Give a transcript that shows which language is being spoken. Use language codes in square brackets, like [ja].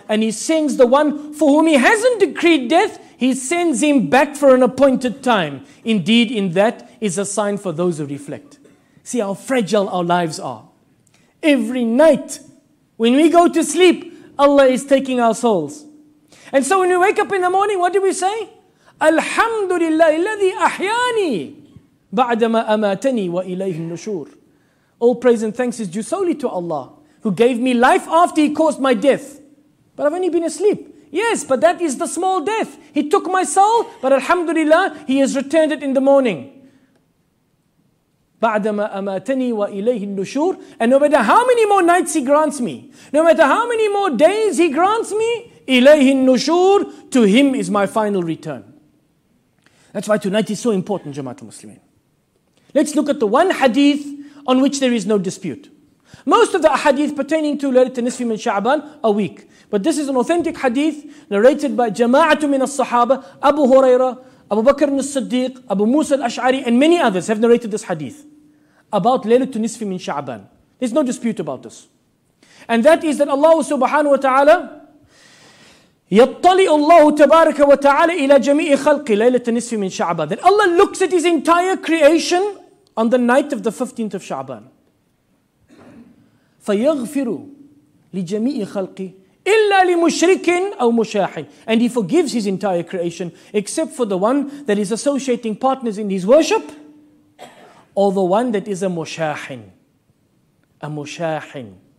[en] And he sends the one for whom he hasn't decreed death, he sends him back for an appointed time. Indeed, in that is a sign for those who reflect. See how fragile our lives are. Every night, when we go to sleep, Allah is taking our souls. And so when we wake up in the morning, what do we say? [ar] Alhamdulillah, الَّذِي أَحْيَانِي بَعْدَمَا أَمَاتَنِي وَإِلَيْهِ النُّشُورِ. [en] All praise and thanks is due solely to Allah, who gave me life after he caused my death. But I've only been asleep. Yes, but that is the small death. He took my soul, but alhamdulillah, he has returned it in the morning. [ar] بَعْدَمَا أَمَاتَنِي وَإِلَيْهِ النُّشُورِ. [en] And no matter how many more nights he grants me, no matter how many more days he grants me, [ar] إِلَيْهِ النُّشُورِ, [en] to him is my final return. That's why tonight is so important, Jamaatul Muslimin. Let's look at the one hadith on which there is no dispute. Most of the hadith pertaining to Laylatul Nisfi min Sha'ban are weak. But this is an authentic hadith narrated by [ar] Jama'atu min al-Sahaba, [en] Abu Huraira, Abu Bakr ibn al-Siddiq, Abu Musa al-Ash'ari, and many others have narrated this hadith about Laylatul Nisfi min Sha'ban. There's no dispute about this. And that is that Allah subhanahu wa ta'ala, [ar] يَطَّلِئُ اللَّهُ تَبَارَكَ وَتَعَالَى إِلَى جَمِيعِ خَلْقِ لَيْلَةَ نِسْفِ مِنْ شَعْبَانَ. [en] Then Allah looks at His entire creation on the night of the 15th of Sha'ban. [ar] فَيَغْفِرُ لِجَمِيعِ خَلْقِ إِلَّا لِمُشْرِكٍ أَوْ مُشَاحٍ. [en] And He forgives His entire creation except for the one that is associating partners in His worship, or the one that is a mushahin. A mushahin.